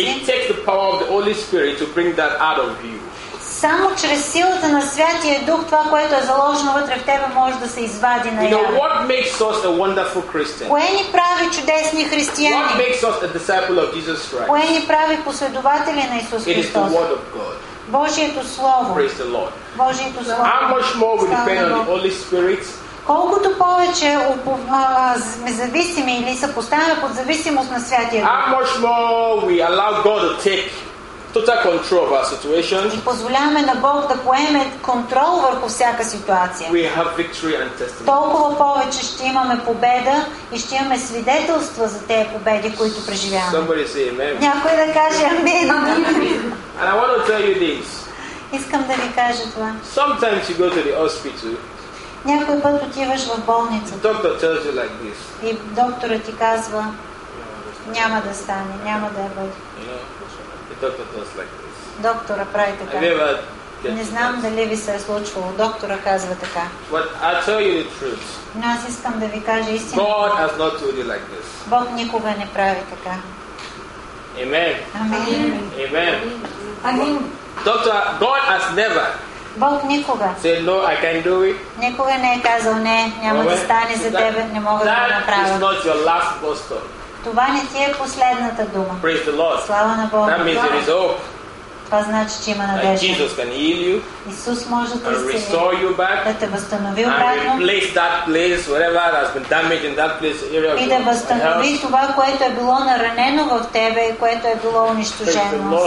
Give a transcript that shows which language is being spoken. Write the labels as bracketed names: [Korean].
[English] It takes the power of the Holy Spirit to bring that out of you. [Bulgarian] Само чрез силата на Святия Дух това, което е заложено вътре в тебе, може да се извади наяве. [English] You know, what makes us a wonderful Christian? [Bulgarian] Кое ни прави чудесни християни? [English] What makes us a disciple of Jesus Christ? [Bulgarian] Кое ни прави последователи на Исус Христос? [English] It is the word of God. [Bulgarian] Божието слово. [English] Praise the Lord. [Bulgarian] Божието слово. [English] How much more we depend on the Holy Spirit? [Bulgarian] Колкото повече сме зависими или се поставяме под зависимост на Святия Дух. [English] How much more we allow God to take total control of our situation? [Bulgarian] И позволяваме на Бог да поеме контрол върху всяка ситуация. [English] We have victory and testimony. [Bulgarian] Толкова повече ще имаме победа и ще имаме свидетелства за тези победи, които преживяваме. [English] Somebody say amen. [Bulgarian] Някой да каже амин. [English] And I want to tell you this. [Bulgarian] Искам да ви кажа това. [English] Sometimes you go to the hospital. [Bulgarian] Някой път отиваш в болница. [English] The doctor tells you like this. [Bulgarian] И докторът ти казва, няма да стане, няма да е бъде. [English] The doctor tells like this. [Bulgarian] Доктора прави така. Не знам дали ви се е случвало. Доктора казва така. [English] But I tell you the truth. [Bulgarian] Но аз искам да ви кажа истина. [English] God has not told you like this. [Bulgarian] Бог никога не прави така. [English] Amen. Amen. Amen. Amen. Doctor, God has never [Bulgarian] Бог никога. [English] Say no, I can do it. [Bulgarian] Никога не е казал не, няма да стане за тебе, не мога да направя. [English] That is not your last gospel. [Bulgarian] Това не ти е последната дума. [English] Praise the Lord. [Bulgarian] Слава на Бога. [English] That means there is hope. [Bulgarian] Това значи, че има надежда. [English] Jesus can heal you. [Bulgarian] Исус може да те изцели. Да те възстанови обратно. [English] And replace that place, whatever has been damaged in that place, area. [Bulgarian] И да възстанови това, което е било наранено в тебе и което е било унищожено.